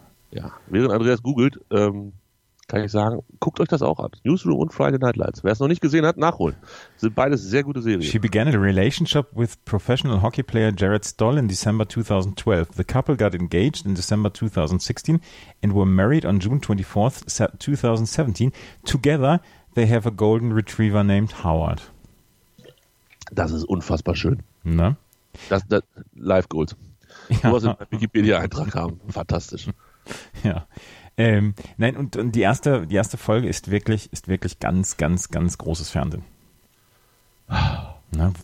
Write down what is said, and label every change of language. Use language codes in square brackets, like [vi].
[de] Ja, während Andreas googelt, kann ich sagen, guckt euch das auch an. Newsroom und Friday Night Lights. Wer es noch nicht gesehen hat, nachholen. Sind beides sehr gute Serien. [en] She began a relationship with professional hockey player Jared Stoll in December 2012. The couple got engaged in December 2016 and were married on June 24th, 2017. Together they have a golden retriever named Howard. [de] Das ist unfassbar schön. Ne? Das Live Goals. Ja. Du hast einen Wikipedia-Eintrag haben. Fantastisch. Ja. Nein, und die erste Folge ist wirklich ganz, ganz, ganz großes Fernsehen. Ne?